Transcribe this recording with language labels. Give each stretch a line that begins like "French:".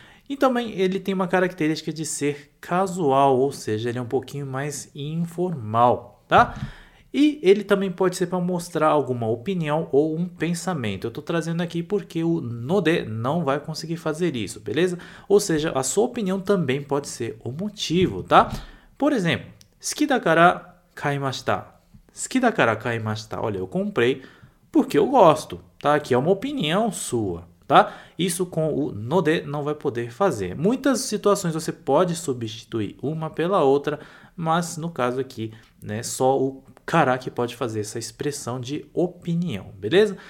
Portuguese: E também ele tem uma característica de ser casual, ou seja, ele é um pouquinho mais informal, tá? E ele também pode ser para mostrar alguma opinião ou um pensamento. Eu estou trazendo aqui porque o node não vai conseguir fazer isso, beleza? Ou seja, a sua opinião também pode ser o motivo, tá?
Japanese: Por exemplo, 好きだから買いました。好きだから買いました。
Portuguese: Olha, eu comprei porque eu gosto, tá? Aqui é uma opinião sua, tá? Isso com o node não vai poder fazer. Muitas situações você pode substituir uma pela outra, mas no caso aqui, né, só o kara que pode fazer essa expressão de opinião, beleza?